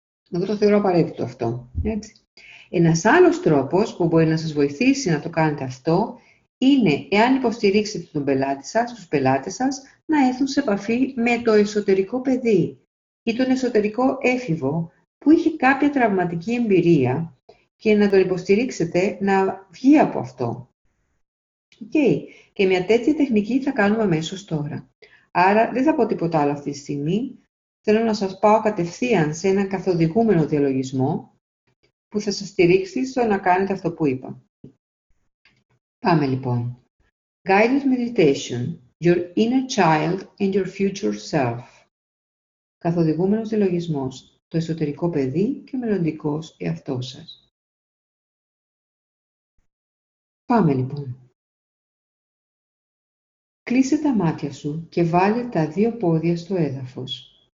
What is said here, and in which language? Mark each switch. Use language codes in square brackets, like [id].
[el] Εγώ το θεωρώ απαραίτητο αυτό, έτσι. Ένας άλλος τρόπος που μπορεί να σας βοηθήσει να το κάνετε αυτό, είναι εάν υποστηρίξετε τον πελάτη σας, τους πελάτες σας, να έρθουν σε επαφή με το εσωτερικό παιδί ή τον εσωτερικό έφηβο που είχε κάποια τραυματική εμπειρία και να τον υποστηρίξετε να βγει από αυτό. Okay. Και μια τέτοια τεχνική θα κάνουμε αμέσως τώρα. Άρα δεν θα πω τίποτα άλλο αυτή τη στιγμή. Θέλω να σας πάω κατευθείαν σε έναν καθοδηγούμενο διαλογισμό που θα σας στηρίξει στο να κάνετε αυτό που είπα. Πάμε λοιπόν. [en] Guided meditation, your inner child and your future self. [el] Καθοδηγούμενος διαλογισμός, το εσωτερικό παιδί και μελλοντικός εαυτός σας. Πάμε λοιπόν. Κλείσε τα μάτια σου και βάλε τα δύο πόδια στο έδαφος.